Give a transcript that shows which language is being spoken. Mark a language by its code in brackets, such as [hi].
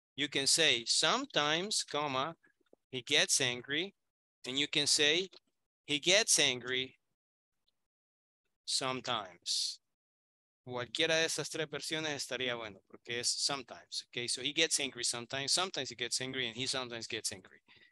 [en] You can say, sometimes, comma, he gets angry. And you can say, he gets angry sometimes. [es] Cualquiera de esas tres versiones estaría bueno, porque es sometimes. [en] Okay, so he gets angry sometimes. Sometimes he gets angry and he sometimes gets angry.